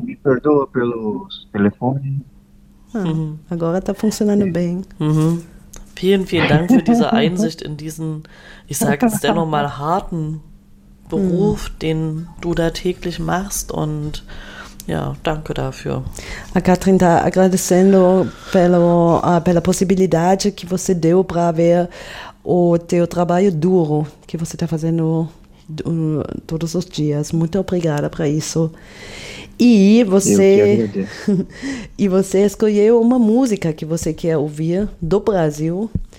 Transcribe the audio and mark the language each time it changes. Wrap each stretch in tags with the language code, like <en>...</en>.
<pt>Me perdoa pelo telefone. Agora está funcionando bem.</pt> <de>Vielen, vielen Dank für diese Einsicht in diesen, ich sage jetzt dennoch mal, harten Beruf, den du da täglich machst. Und ja, danke dafür.</de> <pt>A Katrin tá agradecendo pela possibilidade que você deu para ver o teu trabalho duro, que você tá fazendo todos os dias. Muito obrigada por isso. E você escolheu uma música que você quer ouvir do Brasil.</pt>